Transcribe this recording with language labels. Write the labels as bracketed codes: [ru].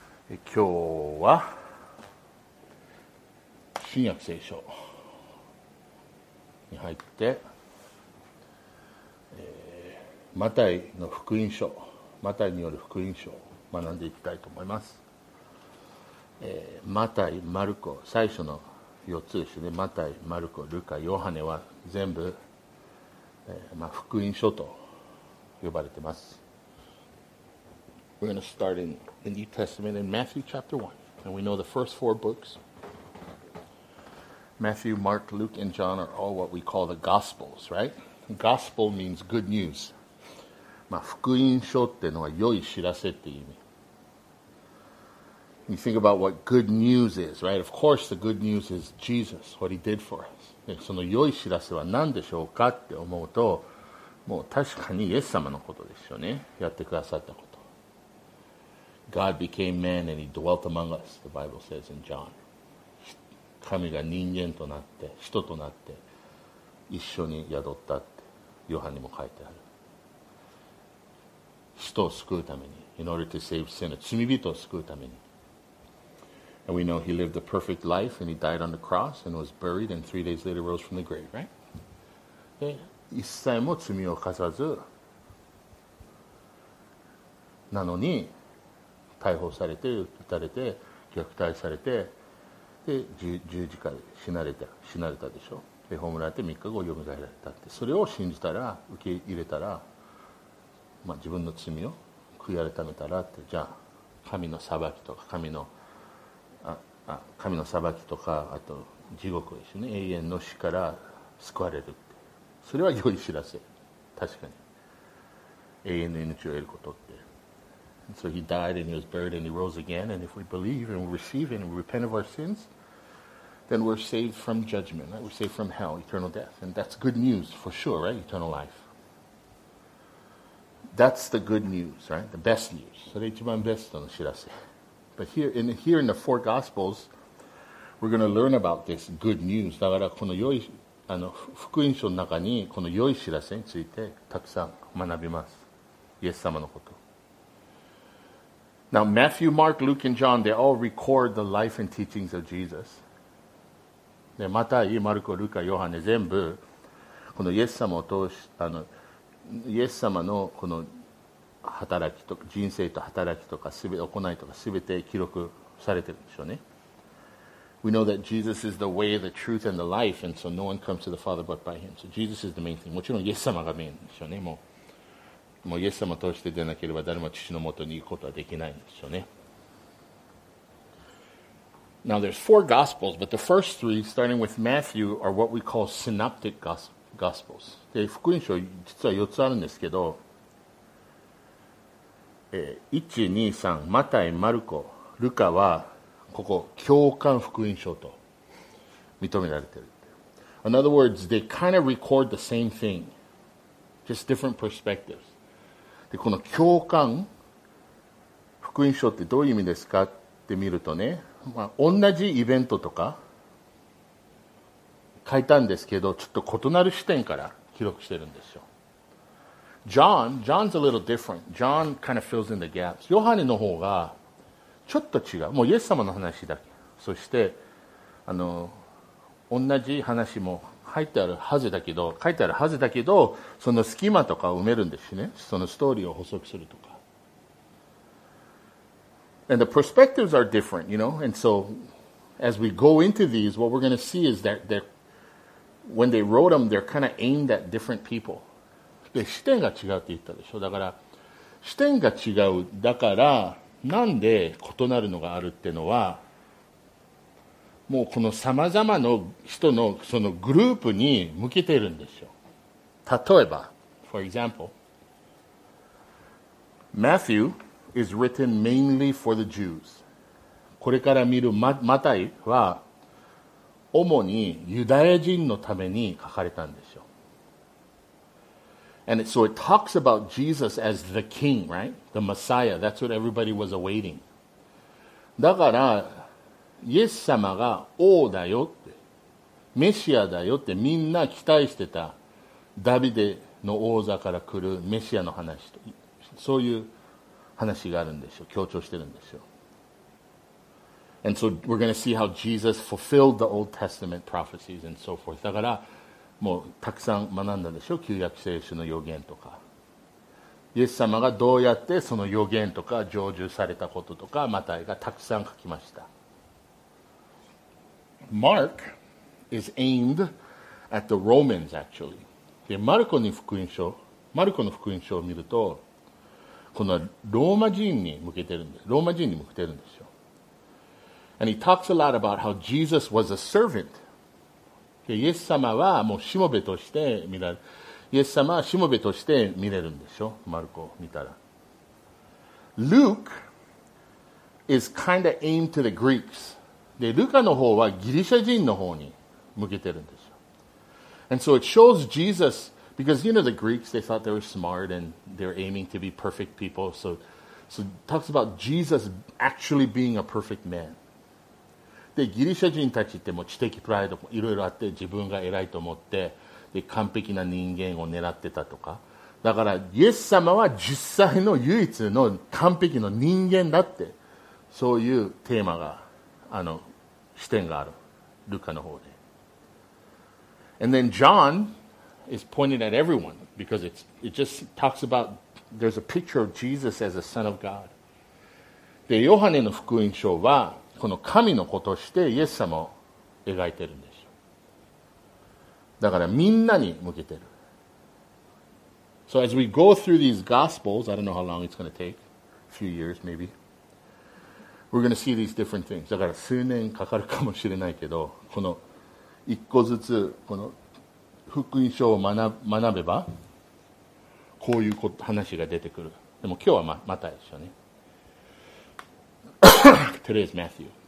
[ja] 今日は新約聖書に入って、マタイの福音書、マタイによる福音書を学んでいきたいと思います。マタイ、マルコ、最初の4つですね。マタイ、マルコ、ルカ、ヨハネは全部、福音書と呼ばれてます。 [en] We're going to start in the New Testament in Matthew chapter 1. And we know the first four books, Matthew, Mark, Luke, and John, are all what we call the Gospels, right? Gospel means good news. [ja] 福音書ってのは良い知らせって意味。 [en] You think about what good news is, right? Of course, the good news is Jesus, what he did for us. [ja] その良い知らせは何でしょうかって思うと、もう確かにイエス様のことですよね。やってくださったこと。 [en] God became man and he dwelt among us, the Bible says in John. [ja] 神が人間となって、人となって、一緒に宿ったって、ヨハネも書いてある。人を救うために、 [en] in order to save sinners, [ja] 罪人を救うために。 [en] And we know he lived a perfect life and he died on the cross and was buried and 3 days later rose from the grave, right? [ja] で、一切も罪を犯さず、なのに、逮捕されて、撃たれて、虐待されて、で十字架で死なれたでしょ。葬られて3日後蘇られたって。それを信じたら、受け入れたら、まあ、自分の罪を悔い改めたらって、じゃあ神の裁きとか、神の裁きとか、あと地獄ですね、永遠の死から救われるって。それは良い知らせ。確かに。永遠の命を得ることって。 [en] So he died and he was buried and he rose again. And if we believe and we receive and we repent of our sins, then we're saved from judgment, right? We're saved from hell, eternal death. And that's good news for sure, right? Eternal life. That's the good news, right? The best news. [ja] それ一番ベストの知らせ。 [en] But here in the four Gospels, we're going to learn about this good news. [ja] だからこの良い、福音書の中にこの良い知らせについてたくさん学びます。イエス様のこと。 [en] Now, Matthew, Mark, Luke, and John, they all record the life and teachings of Jesus. [ja] で、マタイ、マルコ、ルカ、ヨハネ、全部、このイエス様を通し、イエス様のこの働きとか、人生と働きとか、すべて行いとか、すべて記録されてるんでしょうね。 [en] We know that Jesus is the way, the truth, and the life, and so no one comes to the Father but by him. So Jesus is the main thing. [ja] もちろんイエス様がメインでしょうね、もう。もうイエス様を通して出なければ誰も父のもとに行くことはできないんですよね。 [en] Now there's four gospels, but the first three, starting with Matthew, are what we call synoptic gospels. [ja] で、福音書実は4つあるんですけど、1、2、3、マタイ、マルコ、ルカはここ共感福音書と認められてる。 [en] In other words, they kind of record the same thing, just different perspectives. [ja] でこの共感福音書ってどういう意味ですかって見るとね、まあ、同じイベントとか書いたんですけど、ちょっと異なる視点から記録してるんですよ。 [en] John's a little different. John kind of fills in the gaps. [ja] ヨハネの方がちょっと違う。もうイエス様の話だけ。そして同じ話も入ってあるはずだけど、書いてあるはずだけど、その隙間とかを埋めるんですしね、そのストーリーを補足するとか。 [en] And the perspectives are different, you know? And so, as we go into these, what we're going to see is that when they wrote them, they're kind of aimed at different people. [ja] で、視点が違うって言ったでしょ。だから、視点が違う。だから、なんで異なるのがあるってのは、もうこのさまざまな人のそのグループに向けているんですよ。例えば、 [en] For example, Matthew is written mainly for the Jews. [ja] これから見るマタイは主にユダヤ人のために書かれたんですよ。 [en] And so it talks about Jesus as the King, right? The Messiah. That's what everybody was awaiting. [ja] だから、イエス様が王だよって、メシアだよってみんな期待してた、ダビデの王座から来るメシアの話と、そういう話があるんでしょう、強調してるんでしょう。 [en] And so we're going to see how Jesus fulfilled the Old Testament prophecies and so forth. [ja] だからもうたくさん学んだでしょ、旧約聖書の予言とか。イエス様がどうやってその予言とか成就されたこととか、マタイがたくさん書きました。 [en] Mark is aimed at the Romans, actually. [ja] で、マルコに福音書、マルコの福音書を見ると、このローマ人に向けてるんです。ローマ人に向けてるんですよ。 [en] And he talks a lot about how Jesus was a servant. [ja] で、イエス様はもうしもべとして見られる。イエス様はしもべとして見れるんでしょ、マルコを見たら。 [en] Luke is kind of aimed to the Greeks. [ja] で、ルカの方はギリシャ人の方に向けてるんですよ。 [en] And so it shows Jesus, because you know the Greeks, they thought they were smart and they're aiming to be perfect people. So it talks about Jesus actually being a perfect man. [ja] で、ギリシャ人たちってもう知的プライドもいろいろあって自分が偉いと思って、で完璧な人間を狙ってたとか、だからイエス様は実際の唯一の完璧の人間だって、そういうテーマが、あの視点がある、ルカの方で。 [en] And then John is pointed at everyone because it just talks about there's a picture of Jesus as a son of God. [ja] で、ヨハネの福音書はこの神の子としてイエス様を描いてるんです。だからみんなに向けてる。 [en] So as we go through these gospels, I don't know how long it's going to take, a few years maybe, we're going to see these different things. [ja] だから数年かかるかもしれないけど、この一個ずつこの福音書を学べば、こういう話が出てくる。でも今日はまたですよね。 [en] Today is Matthew.